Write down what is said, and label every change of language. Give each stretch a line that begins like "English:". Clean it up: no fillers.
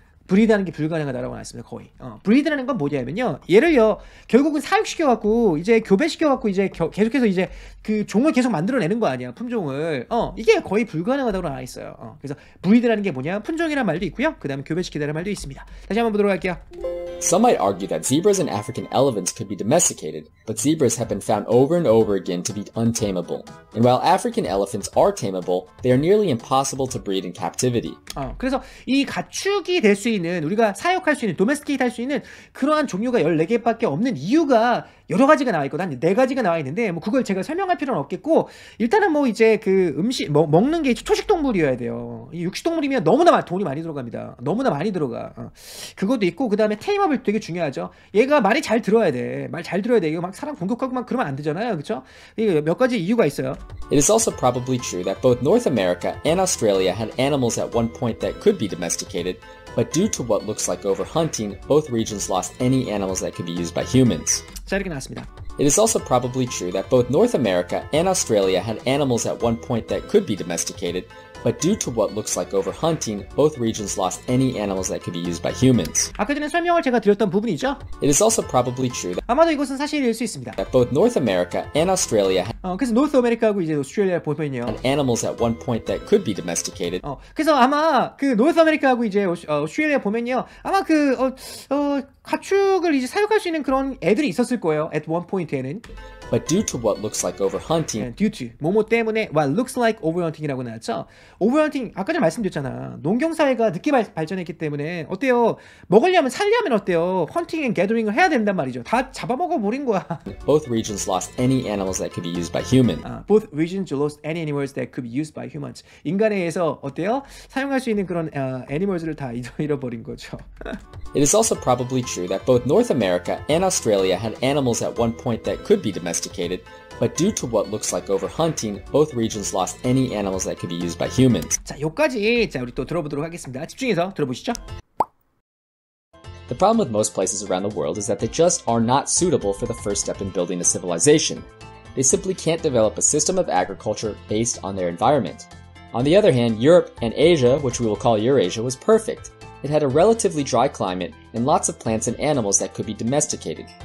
Korean: 브리드하는 게 불가능하다라고 말했습니다. 거의. 브리드라는 건 뭐냐면요, 얘를요 결국은 사육시켜 갖고 이제 교배시켜 갖고 이제 계속해서 이제 그 종을 계속 만들어내는 거 아니야, 품종을. 이게 거의 불가능하다고 나와 있어요. 그래서 브리드라는 게 뭐냐, 품종이라는 말도 있고요, 그다음에 교배시키다라는 말도 있습니다. 다시 한번 보도록 할게요.
English: Some might argue that zebras and African elephants could be domesticated, but zebras have been found over and over again to be untamable. And while African elephants are tameable, they are nearly impossible to breed in captivity.
Korean: 그래서 이 가축이 될 수 있는, 우리가 사육할 수 있는, 도메스티케이트 할 수 있는 그러한 종류가 14개밖에 없는 이유가 여러 가지가 나와 있고, 한 4가지가 나와 있는데, 뭐 그걸 제가 설명할 필요는 없겠고, 일단은 뭐 이제 그 음식, 먹는 게 초식동물이어야 돼요. 이 육식동물이면 너무나 돈이 많이 들어갑니다. 너무나 많이 들어가. 그것도 있고, 그 다음에 테이머블 되게 중요하죠. 얘가 말이 잘 들어야 돼. 말 잘 들어야 돼. 이거 막 사람 공격하고 막 그러면 안 되잖아요. 그쵸? 이게 몇 가지 이유가 있어요.
English: It is also probably true that both North America and Australia had animals at one point that could be domesticated, but due to what looks like overhunting, both regions lost any animals that could be used by humans.
Korean: 자, 이렇게 나왔습니다.
English: It is also probably true that both North America and Australia had animals at one point that could be domesticated, but due to what looks like overhunting, both regions lost any animals that could be used by humans.
Korean: 아까 전에 설명을 제가 드렸던 부분이죠?
English: It is also probably true that
Korean: 아마도 이것은 사실일 수 있습니다.
English: That both North America and Australia had
Korean: 그래서 North America하고 이제 Australia 보면요
English: had animals at one point that could be domesticated.
Korean: 그래서 아마 그 North America하고 이제 Australia 보면요 아마 그 가축을 이제 사육할 수 있는 그런 애들이 있었을 거예요.
English: At one point
Korean: 에는.
English: But due to what looks like overhunting, and due to
Korean: 뭐뭐 때문에
English: what looks like overhunting이라고 나왔죠.
Korean: Overhunting 아까 전에 말씀드렸잖아. 농경 사회가 늦게 발전했기 때문에 어때요? 먹으려면 살려면 어때요?
English: Hunting and gathering
Korean: 을 해야 된단 말이죠. 다 잡아먹어 버린 거야.
English: Both regions lost any animals that could be used by humans. Both regions lost any animals that could be used by humans.
Korean: 인간에 의해서 어때요? 사용할 수 있는 그런 animals를 다 잃어버린 거죠.
English: It is also probably true that both North America and Australia had animals at one point that could be domesticated, but due to what looks like overhunting, both regions lost any animals that could be used by humans.
Korean: 자, 여기까지 자, 우리 또 들어보도록 하겠습니다. 집중해서 들어보시죠.
English: The problem with most places around the world is that they just are not suitable for the first step in building a civilization. They simply can't develop a system of agriculture based on their environment. On the other hand, Europe and Asia, which we will call Eurasia, was perfect. It had a relatively dry climate and lots of plants and animals that could be domesticated.